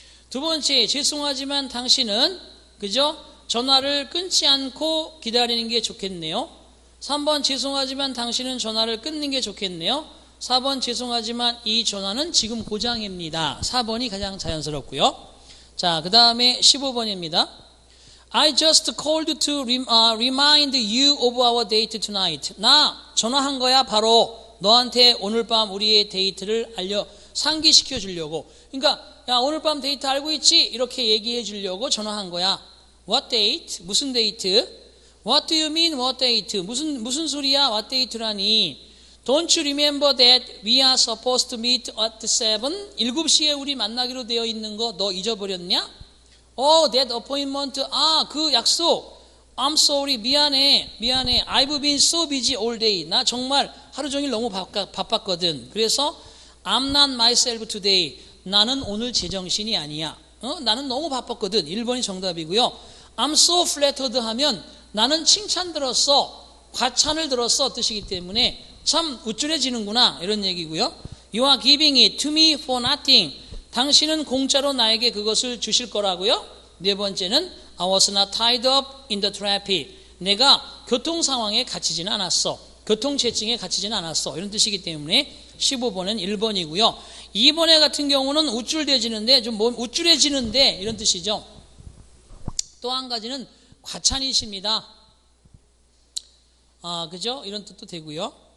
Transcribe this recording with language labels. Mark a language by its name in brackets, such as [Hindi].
[Korean] 두 번째, 죄송하지만 당신은 그죠? 전화를 끊지 않고 기다리는 게 좋겠네요. 3번, 죄송하지만 당신은 전화를 끊는 게 좋겠네요. 4번, 죄송하지만 이 전화는 지금 고장입니다. 4번이 가장 자연스럽고요. 자, 그 다음에 15번입니다. [English] I just called to remind you of our date tonight. [Korean] 나 전화한 거야, 바로. 너한테 오늘 밤 우리의 데이트를 상기시켜 주려고. 그러니까 야 오늘 밤 데이트 알고 있지? 이렇게 얘기해 주려고 전화한 거야. [English] What date? [Korean] 무슨 데이트? [English] What do you mean what date? [Korean] 무슨 소리야? What date라니? [English] Don't you remember that we are supposed to meet at 7? [Korean] 7시에 우리 만나기로 되어 있는 거 너 잊어버렸냐? [English] Oh, that appointment. [Korean] 아, 그 약속. [English] I'm sorry. [Korean] 미안해. 미안해. [English] I've been so busy all day. [Korean] 나 정말 하루 종일 너무 바빴거든. 그래서 [English] I'm not myself today. [Korean] 나는 오늘 제정신이 아니야. 나는 너무 바빴거든. 1번이 정답이고요. [English] I'm so flattered [Korean] 하면 나는 칭찬 들었어. 과찬을 들었어. 뜻이기 때문에 참 우쭐해지는구나. 이런 얘기고요. [English] You are giving it to me for nothing. [Korean] 당신은 공짜로 나에게 그것을 주실 거라고요. 네 번째는 [English] I was not tied up in the traffic. [Korean] 내가 교통 상황에 갇히진 않았어. 교통 체증에 갇히진 않았어. 이런 뜻이기 때문에 15번은 1번이고요. 2번에 같은 경우는 우쭐대지는데 좀 우쭐해지는데 이런 뜻이죠. 또 한 가지는 과찬이십니다. 아, 그죠? 이런 뜻도 되고요.